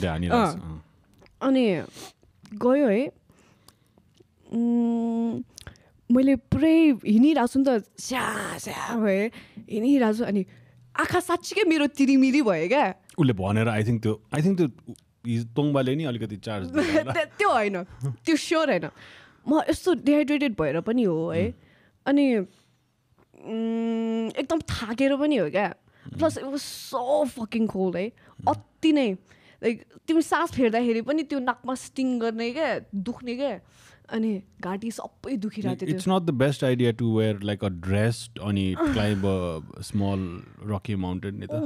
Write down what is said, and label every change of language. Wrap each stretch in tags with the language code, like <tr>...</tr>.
<ne>अनि गयो है. मैले पुरै हिँडिरहेको छु नि त, स्या स्या भए हिँडिरहेको छु, अनि आँखा साँच्चीकै मेरो तिरिमिरी भयो क्या. उसले भनेर</ne> <en>I think</en> <ne>त्यो तोङ्बाले नि अलिकति चार्ज त्यो होइन, त्यो स्योर होइन. म यस्तो डिहाइड्रेटेड भएर पनि हो है, अनि एकदम थाकेर पनि हो क्या.</ne> <en>plus it was so fucking cold</en> <ne>है, अति नै लाइक तिमी सास फेर्दाखेरि पनि त्यो नाकमा स्टिङ गर्ने क्या, दुख्ने क्या, अनि घाँटी सबै दुखिरहेको थियो.</ne> <en>It's not the best idea to wear like a dress अनि climb a small rocky mountain नि त.</en>